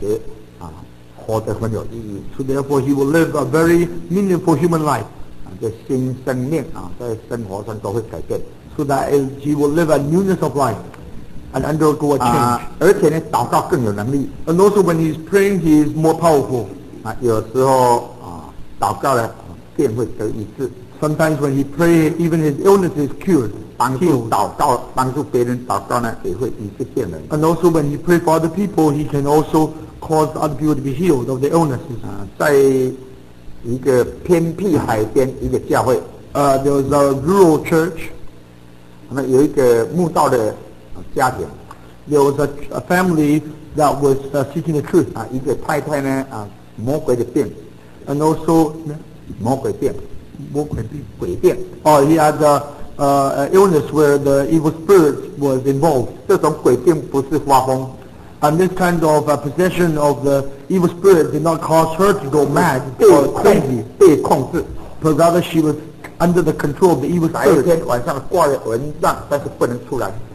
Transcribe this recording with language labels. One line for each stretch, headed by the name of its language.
Chinese: 所以这个人生观啊，感觉啊，活得很有意义。
English: So therefore, he will live a very meaningful human life.
Chinese: 这新生命啊，在生活上都会改变。
English: So that he will live a newness of life and undergo a change.
Chinese: 而且呢，祷告更有能力。
English: And also, when he's praying, he is more powerful.
Chinese: 有时候祷告呢，便会得医治。
English: Sometimes when he prays, even his illness is cured.
Chinese: 帮助祷告，帮助别人祷告呢，也会医治病人。
English: And also when he prays for other people, he can also cause other people to be healed of their illnesses.
Chinese: 在一个偏僻海边一个教会。
English: There was a rural church.
Chinese: 那有一个慕道的家庭。
English: There was a family that was seeking the truth.
Chinese: 一个太太呢，魔鬼的病。
English: And also,
Chinese: 魔鬼病。魔鬼病，鬼病。
English: Oh, he had an illness where the evil spirit was involved.
Chinese: 这种鬼病不是发疯。
English: And this kind of possession of the evil spirit did not cause her to go mad or crazy.
Chinese: 被控制。
English: But rather she was under the control of the evil spirit.
Chinese: 白天晚上挂着蚊帐，但是不能出来。